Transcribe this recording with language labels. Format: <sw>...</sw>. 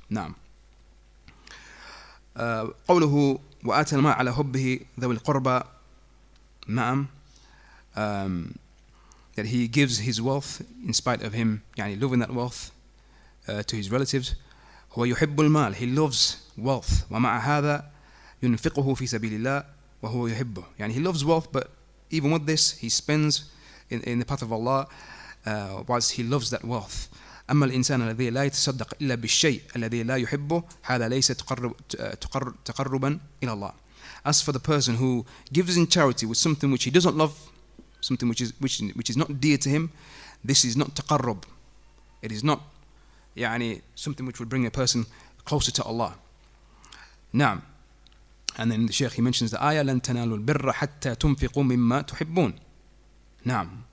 <ar>Now, قوله وآت الماء على حبه ذوي القربى. نعم.</ar> <en>That he gives his wealth in spite of him يعني loving that wealth to his relatives.</en> <ar>هو يحب المال,</ar> <en>he loves wealth.</en> <ar>ومع هذا ينفقه في سبيل الله وهو يحبه.</ar> <en>يعني he loves wealth, but even with this he spends in the path of Allah whilst he loves that wealth.</en> <ar>أما الإنسان الذي لا يتصدق إلا بالشيء الذي لا يحبه هذا ليس تقربا إلى الله.</ar> <en>As for the person who gives in charity with something which he doesn't love, something which is not dear to him, this is not taqarrub. It is not يعني something which would bring a person closer to Allah. Naam. And then the Shaykh, he mentions the ayah,</en> <ar>لَن تَنَالُوا الْبِرَّ حَتَّى تُنْفِقُوا مِمَّا تُحِبُّونَ. نعم.</ar>